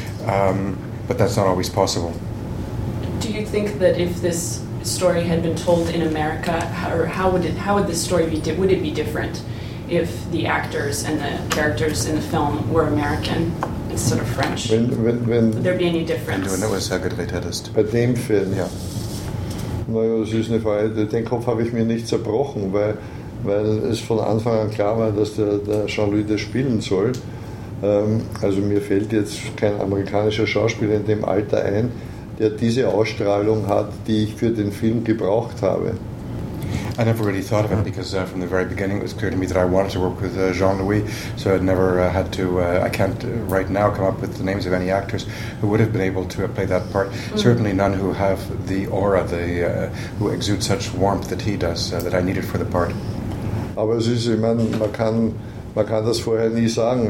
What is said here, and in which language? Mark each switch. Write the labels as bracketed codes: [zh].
[en] But that's not always possible. Do you think that if this story had been told in America, how would this story be? Would it be different if the actors and the characters in the film were American instead of French? When would there be any difference? [de] Wenn du in der gedreht hättest. Bei dem Film? Ja. Naja, das ist eine Frage. Den Kopf habe ich mir nicht zerbrochen, weil es von Anfang an klar war, dass der Jean-Louis das spielen soll. Also mir fällt jetzt kein amerikanischer Schauspieler in dem Alter ein, der diese Ausstrahlung hat, die ich für den Film gebraucht habe. [en] I never really thought of it because from the very beginning it was clear to me that I wanted to work with Jean-Louis, so I never had to, I can't right now come up with the names of any actors who would have been able to play that part. Mm-hmm. Certainly none who have the aura, who exude such warmth that he does, that I needed for the part. [de] Aber es ist, ich meine, man kann das vorher nie sagen.